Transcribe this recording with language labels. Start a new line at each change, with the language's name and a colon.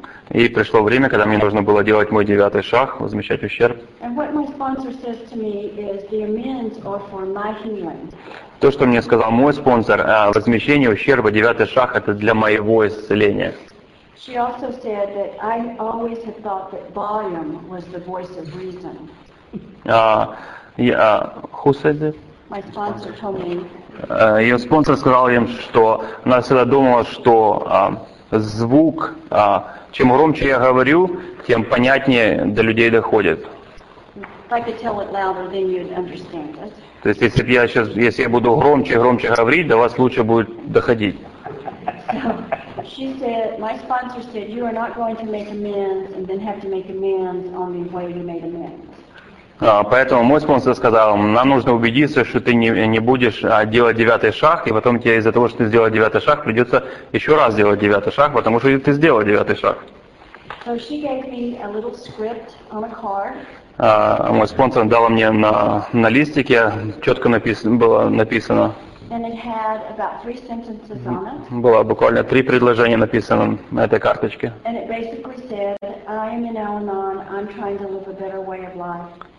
Russian: И пришло время, когда мне нужно было делать мой девятый шаг, возмещать ущерб. То, что мне сказал мой спонсор, возмещение ущерба, девятый шаг, это для моего исцеления.
English: She also said that I always had thought that volume was the voice of reason. Who said that? My sponsor told me.
Russian: Ее спонсор сказал им, что она всегда думала, что звук, чем громче я говорю, тем понятнее до людей доходит.
English: If I could tell it louder, then you'd understand it.
Russian: То есть, если я буду громче и громче говорить, до вас лучше будет доходить.
English: She said, my sponsor said, you are not going to make amends and then have to make amends on the way you made amends.
Russian: Поэтому мой спонсор сказал, нам нужно убедиться, что ты не будешь делать девятый шаг, и потом тебе из-за того, что ты сделал девятый шаг, придется еще раз делать девятый шаг, потому что ты сделал девятый шаг.
English: So she gave me a little script on a card.
Russian: Мой спонсор дал мне на листике, четко было написано.
English: And it had about three sentences on it.
Russian: Было буквально три предложения написано на этой карточке.
English: And it basically said, I am in Al-Anon, I'm trying to live a better way of life.